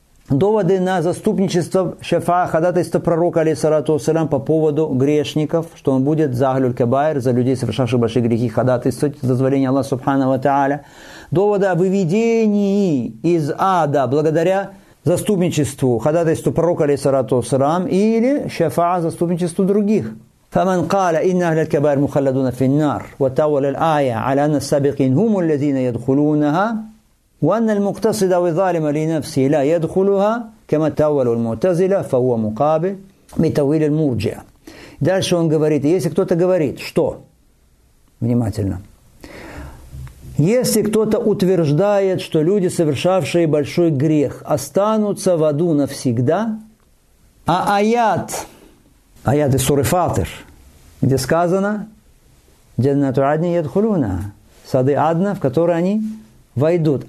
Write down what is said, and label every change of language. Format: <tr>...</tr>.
<ru>доводы на заступничество шафа, ходатайство пророка, алейхиссалату вассалям, по поводу грешников, что он будет за ахлюль-кабаир, за людей, совершавших большие грехи, ходатайствовать за зволение Аллаха Субхана ва Тааля, доводы о выведении из ада благодаря заступничеству, ходатайству пророка, алейхиссалату вассалям, или шафа, заступничеству других.</ru> <ar>فمن قال إن أهل الكبائر مخلدون في النار وتولى الآية على أن السابقين هم الذين يدخلونها وأن المقتصد والظالم لنفسه لا يدخلها كما تولوا المعتزلة فهو مقابل لتأويل المرجئة.</ar> <ru>Дальше он говорит, если кто-то говорит, что? Внимательно. Если кто-то утверждает, что люди, совершавшие большой грех, останутся в аду навсегда, а аят, аят из суры Фатир, где сказано,</ru> <ar>«Джаннату адни ядхулуна»,</ar> <ru>сады адна, в которые они войдут.</ru>